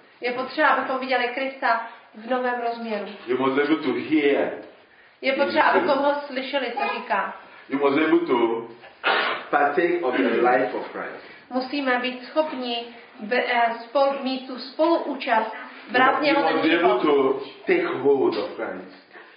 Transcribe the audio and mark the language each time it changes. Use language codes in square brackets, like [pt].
[cs] Je potřeba, abychom viděli Krista v novém rozměru. [en] You must be able to hear. [cs] Je potřeba, abychom ho slyšeli, co říká. [en] You must be able to partake of the life of Christ. [cs] Musíme být schopni mít tu spoluúčast, brát něho ten život. [en] You must be able to take hold of Christ.